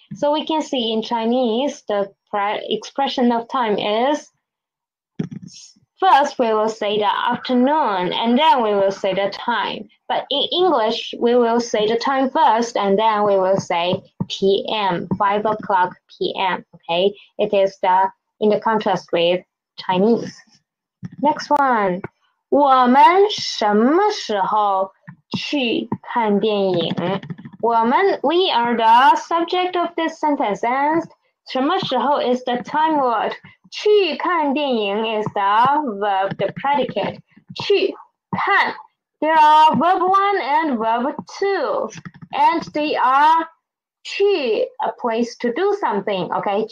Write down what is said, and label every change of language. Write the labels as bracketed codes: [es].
[en] So we can see in Chinese, the expression of time is, first we will say the afternoon, and then we will say the time. But in English, we will say the time first, and then we will say PM, 5 o'clock PM, okay? It is the, in the contrast with Chinese. Next one. [zh] 我们什么时候去看电影? [en] We are the subject of this sentence, and 什么时候 is the time word. 去看电影 is the verb, the predicate. 去看. There are verb 1 and verb 2, and they are 去 a place to do something, okay?